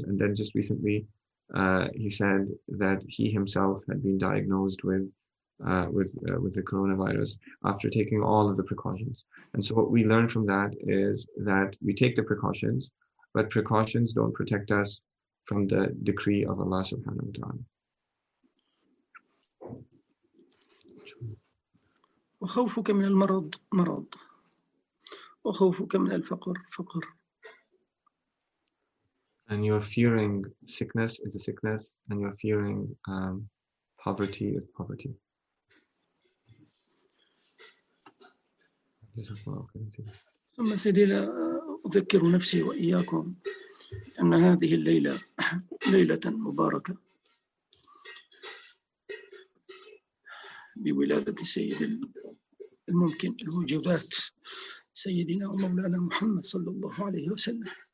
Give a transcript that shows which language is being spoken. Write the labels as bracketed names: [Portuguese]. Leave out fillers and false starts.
[English] And then just recently he said that he himself had been diagnosed with the coronavirus after taking all of the precautions. And so what we learn from that is that we take the precautions, but precautions don't protect us from the decree of Allah subhanahu wa ta'ala. [Arabic] وخوفك من المرض مرض، وخوفك من الفقر فقر. [English] And you're fearing sickness is a sickness, and you're fearing poverty is poverty. [Arabic] ثم سيدي لا أذكر نفسي وإياكم أن هذه الليلة ليلة مباركة بولادة سيد الممكن الوجبات سيدنا ومولانا محمد صلى الله عليه وسلم.